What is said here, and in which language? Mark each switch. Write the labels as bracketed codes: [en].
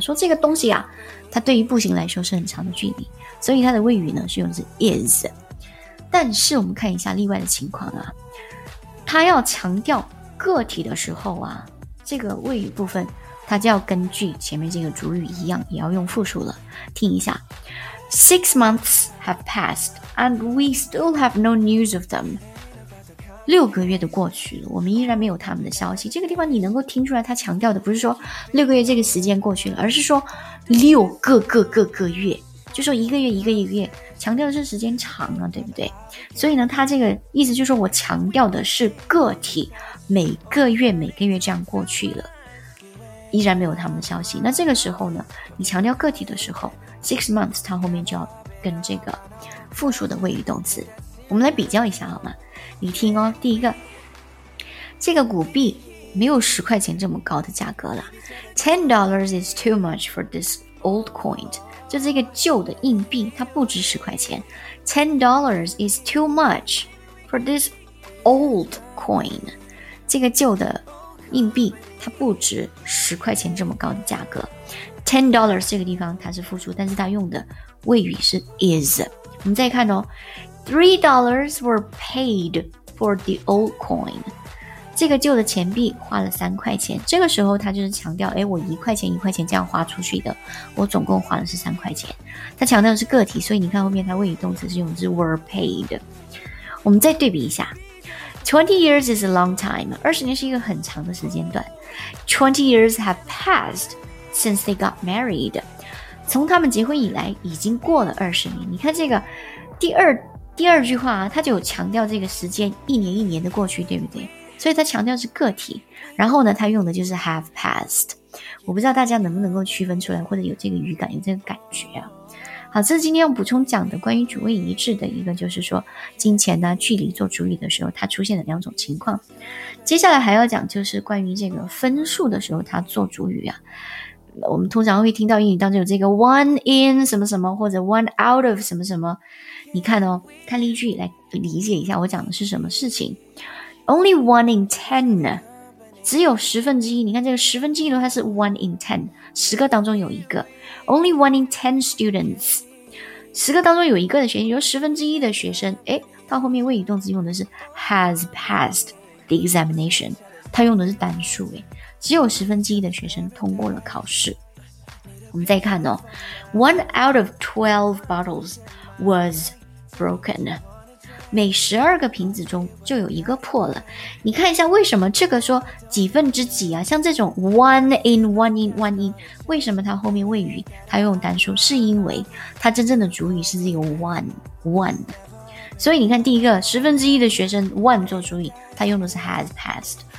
[zh] 说这个东西啊，它对于步行来说是很长的距离。所以它的谓语呢是用的是 is。但是我们看一下例外的情况啊，他要强调个体的时候啊，这个谓语部分他就要根据前面这个主语一样，也要用复数了。听一下， [en] 6 months have passed and we still have no news of them. [zh] 6个月的过去了，我们依然没有他们的消息。这个地方你能够听出来他强调的不是说6个月这个时间过去了，而是说6个月，就说1个月1个月，强调的是时间长啊，对不对？所以呢，他这个意思就是说我强调的是个体每个月这样过去了，依然没有他们的消息。那这个时候呢，你强调个体的时候， 6 months 它后面就要跟这个复数的谓语动词。我们来比较一下好吗？你听哦，第一个，这个古币没有10块钱这么高的价格了。 [en] $10 is too much for this old coin. [zh] 就这个旧的硬币它不值10块钱。 [en] $10 is too much for this old coin. [zh] 这个旧的硬币它不值10块钱这么高的价格。 $10 这个地方它是复数，但是它用的谓语是 is。我们再看哦， [en] $3 were paid for the old coin. [zh] 这个旧的钱币花了3块钱，这个时候他就是强调，哎，我1块钱1块钱这样花出去的，我总共花的是3块钱。他强调的是个体，所以你看后面他谓语动词是用的是 were paid。我们再对比一下， [en] 20 years is a long time， [zh] 20年是一个很长的时间段。 [en] 20 years have passed since they got married， [zh] 从他们结婚以来已经过了20年。你看这个第二句话他就强调这个时间一年一年的过去，对不对？所以他强调是个体，然后呢他用的就是 have passed。我不知道大家能不能够区分出来，或者有这个语感，有这个感觉啊。好，这是今天要补充讲的关于主谓一致的一个，就是说金钱呢、距离做主语的时候它出现的两种情况。接下来还要讲就是关于这个分数的时候它做主语啊，我们通常会听到英语当中有这个 one in 什么什么，或者 one out of 什么什么。你看哦，看例句来理解一下我讲的是什么事情。 [en] Only one in ten， [zh] 只有1/10。你看这个十分之一的话是 one in ten， 10个当中有一个。 [en] Only one in ten students， [zh] 10个当中有一个的学生，就是1/10的学生。哎，到后面谓语动词用的是 [en] has passed the examination， [zh] 他用的是单数，哎，只有1/10的学生通过了考试。我们再看哦 [en] ，one out of 12 bottles was broken。 [zh] 每12个瓶子中就有一个破了。你看一下为什么这个说几分之几啊，像这种 one in 为什么它后面谓语它用单数，是因为它真正的主语是这个 one。所以你看第一个1/10的学生 one 做主语，它用的是 has passed。